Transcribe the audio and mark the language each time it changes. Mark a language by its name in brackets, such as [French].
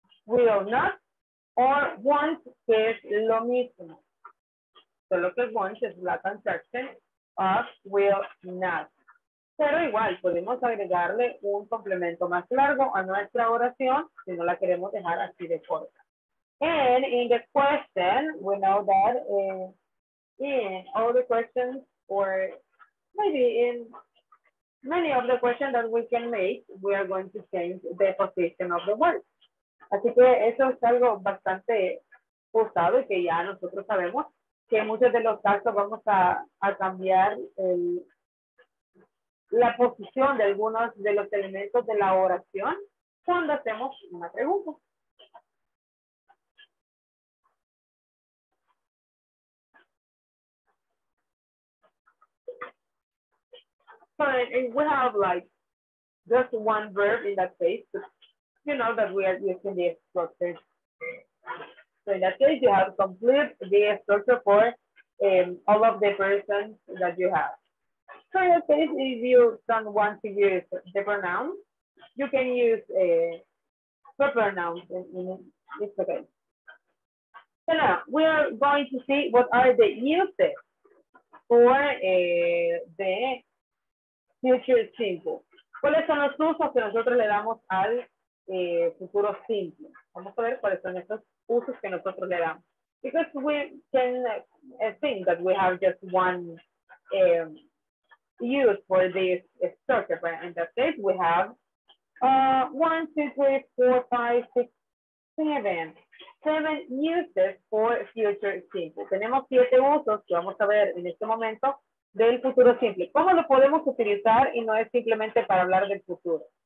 [English] Will not or won't, [Spanish] que es lo mismo. Solo que won't es la [English] contraction of will not. [Spanish] Pero igual, podemos agregarle un complemento más largo a nuestra oración si no la queremos dejar así de corta. [English] And in the question, we know that in all the questions, or maybe in many of the questions that we can make, we are going to change the position of the word. [Spanish] Así que eso es algo bastante usado y que ya nosotros sabemos que en muchos de los casos vamos a cambiar el, la posición de algunos de los elementos de la oración cuando hacemos una pregunta. [English] But we have like just one verb in that case, you know that we are using the structure. So in that case, you have complete the structure for all of the persons that you have. So in that case, if you don't want to use the pronoun, you can use a pronoun in this case. So now we are going to see what are the uses for the future simple. [Spanish] ¿Cuáles son los usos que nosotros le damos al futuro simple? Vamos a ver cuáles son estos usos que nosotros le damos. [English] Because we can think that we have just one use for this structure, but in that case we have 1, 2, 3, 4, 5, 6, 7 uses for future simple. [Spanish] Tenemos 7 usos que vamos a ver en este momento del futuro simple. ¿Cómo lo podemos utilizar y no es simplemente para hablar del futuro?